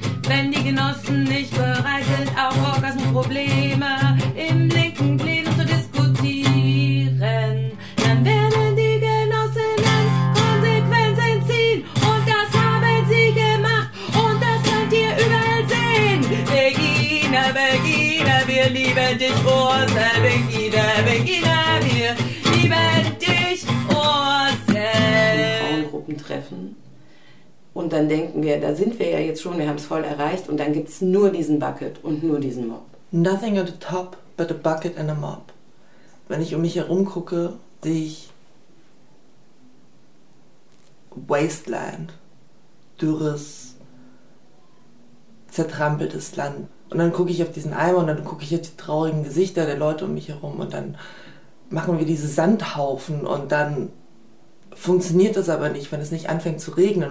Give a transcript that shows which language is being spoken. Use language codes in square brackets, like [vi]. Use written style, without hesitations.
[de] Wenn die Genossen nicht bereit sind, auch Orgasmusprobleme im linken Plenum zu diskutieren, dann werden wir lieben dich, Ursel, Beginner, wir lieben dich, Ursel. Frauengruppen treffen und dann denken wir, da sind wir ja jetzt schon, wir haben es voll erreicht und dann gibt es nur diesen Bucket und nur diesen Mop. [en] Nothing on the top but a bucket and a mop. [de] Wenn ich um mich herum gucke, sehe ich Wasteland, dürres, zertrampeltes Land. Und dann gucke ich auf diesen Eimer und dann gucke ich auf die traurigen Gesichter der Leute um mich herum und dann machen wir diese Sandhaufen und dann funktioniert das aber nicht, wenn es nicht anfängt zu regnen.